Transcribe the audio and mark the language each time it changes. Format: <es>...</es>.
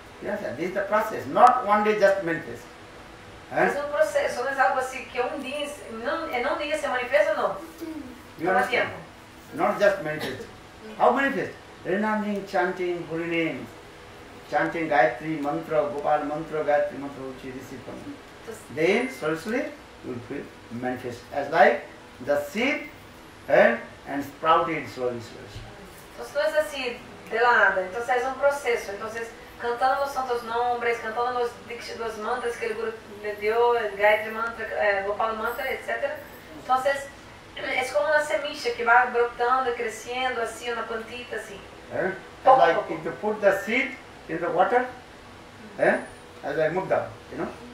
<en>Yes, this is the process, not one day just manifest.</en> <es>Es un proceso, no es algo así que un día, en un día se manifiesta, no. Toma tiempo.</es> <en>Not just manifest. How manifest? Renaming, chanting, holy names, chanting Gayatri mantra, Gopal mantra, Gayatri mantra, which is recipient. Then, slowly, will be manifest as like the seed and sprouted slowly, slowly.</en> <es>Entonces no es así de la nada, entonces es un proceso. Entonces cantando los santos nombres, cantando los mantras que el Guru le dio, el Gayatri mantra, Gopal mantra, etc. Entonces es como una semilla que va brotando, creciendo así, una plantita así.</es> <en>As like if you put the seed in the water, as like mugda, you know?</en>